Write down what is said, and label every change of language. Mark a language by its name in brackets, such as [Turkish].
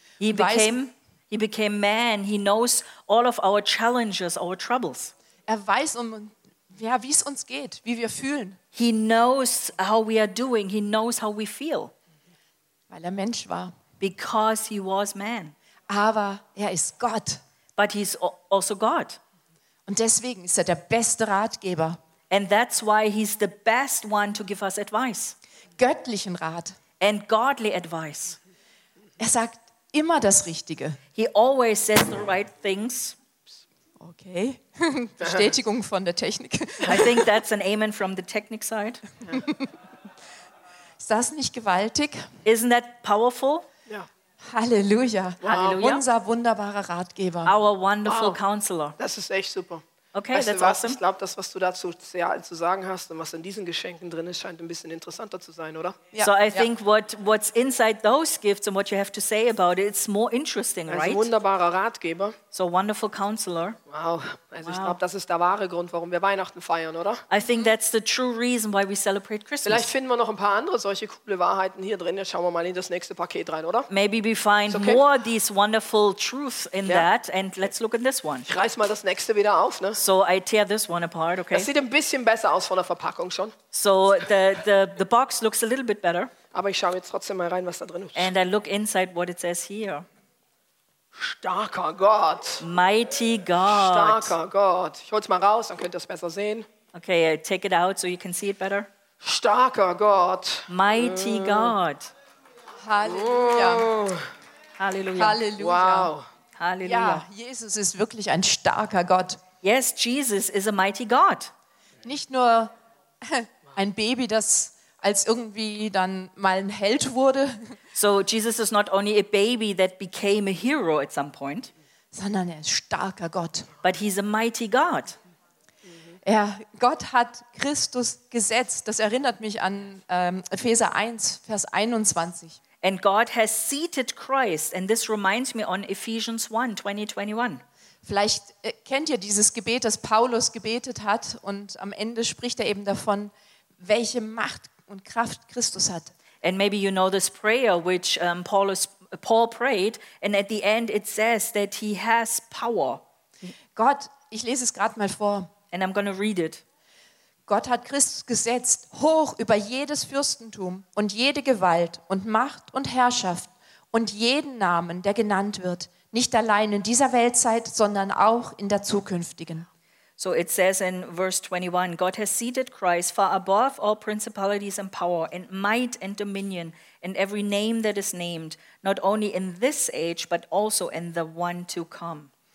[English] He became man. He knows all of our challenges, our troubles. [German] Er weiß, wie es uns geht, wie wir fühlen. [English] He knows how we are doing. He knows how we feel. [German] Weil er Mensch war. [English] Because he was man. [German] Aber er ist Gott. [English] But he's also God. [German] Und deswegen ist er der beste Ratgeber. [English] And that's why he's the best one to give us advice. [German] Göttlichen Rat. [English] And godly advice. [German] Er sagt immer das Richtige. [English] He always says the right things. [German] Okay. Bestätigung von der Technik. [English] I think that's an amen from the technic side. [German] Ist das nicht gewaltig? [English] Isn't that powerful? Yeah. Halleluja. Wow. Halleluja. [German] Unser wunderbarer Ratgeber. [English] Our wonderful wow. Counselor. [German] Das ist echt super. Okay, weißt du was? [English] Awesome. [German] Ich glaube, das, was du dazu zu sagen hast und was in diesen Geschenken drin ist, scheint ein bisschen interessanter zu sein, oder? [English] Yeah. So I think what's inside those gifts and what you have to say about it, it's more interesting, [German] also [English] right? [German] Also wunderbarer Ratgeber. [English] So wonderful counselor. [German] Wow. Also wow. Ich glaube, das ist der wahre Grund, warum wir Weihnachten feiern, oder? [English] I think that's the true reason why we celebrate Christmas. [German] Vielleicht finden wir noch ein paar andere solche coole Wahrheiten hier drin. Jetzt schauen wir mal in das nächste Paket rein, oder? [English] Maybe we find okay. More these wonderful truths in that and let's look at this one. [German] Ich reiß mal das nächste wieder auf, ne? [English] So I tear this one apart, okay? [German] Das sieht ein bisschen besser aus von der Verpackung schon. [English] So the box looks a little bit better. [German] Aber ich schaue jetzt trotzdem mal rein, was da drin ist. [English] And I look inside what it says here. [German] Starker Gott. [English] Mighty God. [German] Starker Gott. Ich hol's mal raus, dann könnt ihr es besser sehen. [English] Okay, I take it out so you can see it better. [German] Starker Gott. [English] Mighty God. [German] Halleluja. Halleluja. Halleluja. Wow. Halleluja. Ja, Jesus ist wirklich ein starker Gott. [English] Yes, Jesus is a mighty God. [German] Nicht nur ein Baby, das als irgendwie dann mal ein Held wurde. [English] So Jesus is not only a baby that became a hero at some point. [German] Sondern er ist starker Gott. [English] But he's a mighty God. [German] Er, Gott hat Christus gesetzt. Das erinnert mich an Epheser 1, Vers 21. [English] And God has seated Christ. And this reminds me on Ephesians 1, 20, 21. [German] Vielleicht kennt ihr dieses Gebet, das Paulus gebetet hat. Und am Ende spricht er eben davon, welche Macht und Kraft Christus hat. [English] And maybe you know this prayer which Paul prayed and at the end it says that he has power. [German] Gott, ich lese es gerade mal vor. [English] And I'm going to read it. [German] Gott hat Christus gesetzt hoch über jedes Fürstentum und jede Gewalt und Macht und Herrschaft und jeden Namen, der genannt wird, nicht allein in dieser Weltzeit, sondern auch in der zukünftigen. [English] So it says in verse 21, God has seated Christ far above all principalities and power and might and dominion and every name that is named, not only in this age, but also in the one to come.